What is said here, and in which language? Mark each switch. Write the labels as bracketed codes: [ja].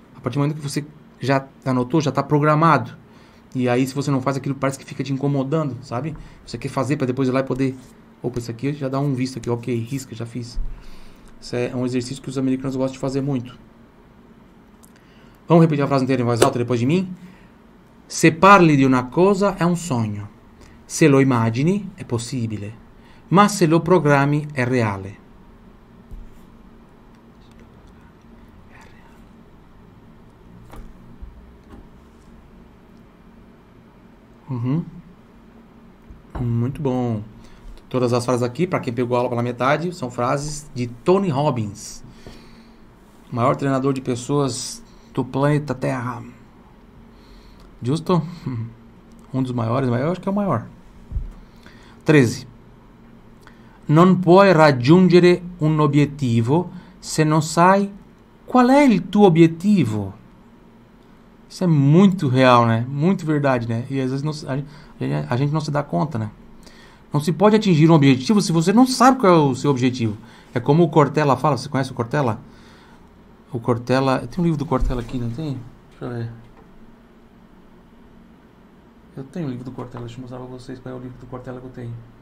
[pt] A partir do momento que você já anotou, já está programado. E aí, se você não faz aquilo, parece que fica te incomodando, sabe? Você quer fazer para depois ir lá e poder... Opa, isso aqui já dá um visto aqui, ok, risca, já fiz... Isso é um exercício que os americanos gostam de fazer muito. Vamos repetir a frase inteira em voz alta depois de mim? [it] Se parli di una cosa, è un sogno. Se lo immagini, è possibile. Ma se lo programmi, è reale. [pt] Muito bom. Todas as frases aqui, para quem pegou a aula pela metade, são frases de Tony Robbins. Maior treinador de pessoas do planeta Terra. Justo? Um dos maiores, mas eu acho que é o maior. 13. [it] Non puoi raggiungere un obiettivo se non sai qual è il tuo obiettivo. [pt] Isso é muito real, né? Muito verdade, né? E às vezes não, a gente não se dá conta, né? Não se pode atingir um objetivo se você não sabe qual é o seu objetivo. É como o Cortella fala, você conhece o Cortella? O Cortella. Tem um livro do Cortella aqui, não tem? Deixa eu ver. Eu tenho um livro do Cortella, deixa eu mostrar pra vocês qual é o livro do Cortella que eu tenho.